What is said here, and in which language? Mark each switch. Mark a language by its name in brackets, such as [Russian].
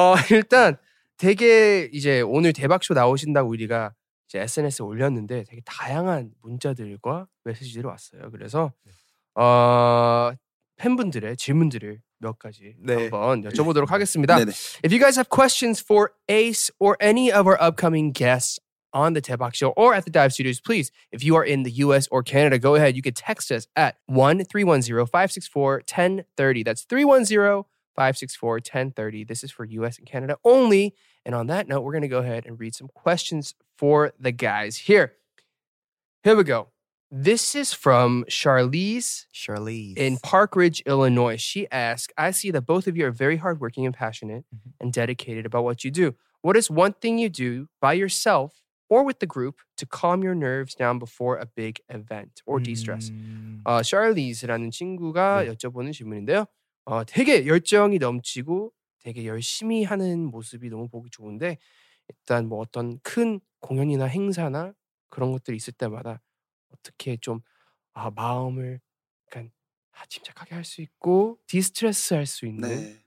[Korean] 일단 되게 이제 오늘 대박쇼 나오신다고 우리가 이제 SNS에 올렸는데 되게 다양한 문자들과 메시지들이 왔어요. 그래서 팬분들의 질문들을 몇 가지 한번 여쭤보도록 하겠습니다. [English] If you guys have questions for Ace or any of our upcoming guests on the Taebak Show or at the Dive Studios, please, if you are in the US or Canada, go ahead. You can text us at 1-310-564-1030. That's 310-564-1030. This is for US and Canada only. And on that note, we're going to go ahead and read some questions for the guys. Here we go. This is from Charlize. Charlize. In Park Ridge, Illinois. She asks, I see that both of you are very hardworking and passionate mm-hmm. and dedicated about what you do. What is one thing you do by yourself or with the group to calm your nerves down before a big event or de-stress? [Korean] Charlize라는 친구가 네. 여쭤보는 질문인데요. 되게 열정이 넘치고 되게 열심히 하는 모습이 너무 보기 좋은데 일단 뭐 어떤 큰 공연이나 행사나 그런 것들이 있을 때마다 어떻게 좀 아, 마음을 약간 아, 침착하게 할 수 있고 디스트레스 할 수 있는 네.